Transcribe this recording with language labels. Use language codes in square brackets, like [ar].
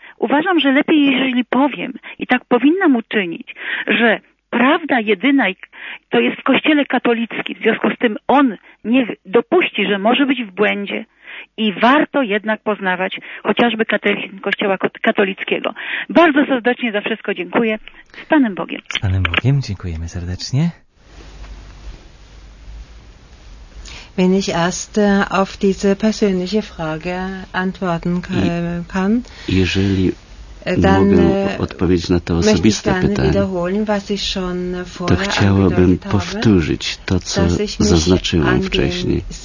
[pl] Uważam, że lepiej, jeżeli powiem, i tak powinnam uczynić, że prawda jedyna to jest w kościele katolickim, w związku z tym on nie dopuści, że może być w błędzie, i warto jednak poznawać chociażby katechizm Kościoła katolickiego. Bardzo serdecznie za wszystko dziękuję. Z Panem Bogiem. Z Panem Bogiem dziękujemy serdecznie. [de] Wenn ich erst auf diese persönliche Frage antworten kann, [pl] jeżeli dann mogę odpowiedzieć na to osobiste pytanie, [de] was ich schon vorher [pl] to chciałabym powtórzyć to, co zaznaczyłem wcześniej,